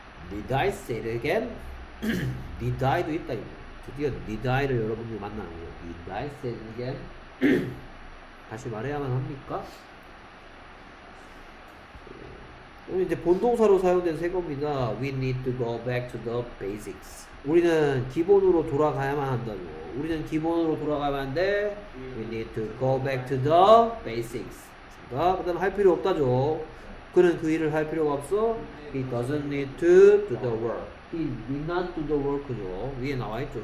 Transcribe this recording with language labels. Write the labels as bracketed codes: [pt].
[en] Did I say it again? Did I도 있다. [ko] 드디어 Did I를 여러분들이 만나는 거예요. Did I say it again? 다시 말해야만 합니까? 그럼 이제 본동사로 사용된 세 겁니다. [en] We need to go back to the basics. [ko] 우리는 기본으로 돌아가야만 한다고. 우리는 기본으로 돌아가야만 한데 We need to go back to the basics. 그러니까 그 다음 할 필요 없다죠. 그는 그 일을 할 필요가 없어. [en] He doesn't need to do the work. He need not do the work죠. 위에 나와있죠.